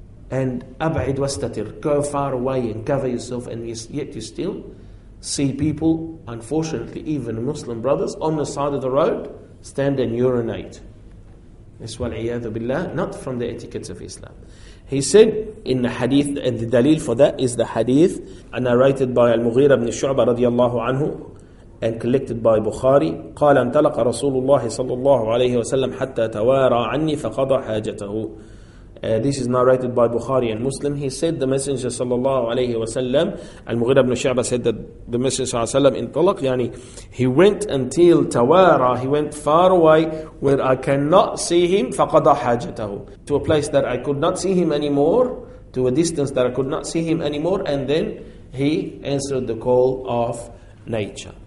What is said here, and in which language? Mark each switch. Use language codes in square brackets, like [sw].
[en] And [ar] أبعد واستتر, [en] go far away and cover yourself, and yet you still see people, unfortunately, even Muslim brothers, on the side of the road, stand and urinate. This [ar] والعياذ بالله, [en] not from the etiquettes of Islam. He said in the hadith, and the dalil for that is the hadith narrated by Al-Mughira ibn Shu'bah radiallahu anhu and collected by Bukhari. [ar] قال انطلق رسول الله صلى الله عليه وسلم حتى توارى عني فقضى حاجته. [en] This is narrated by Bukhari and Muslim. He said the Messenger sallallahu alayhi wa sallam, Al-Mughira ibn Shu'bah said that the Messenger sallallahu alayhi wa sallam intalaq, yani he went until tawara, he went far away where I cannot see him, faqada hajatahu, to a place that I could not see him anymore, to a distance that I could not see him anymore, and then he answered the call of nature.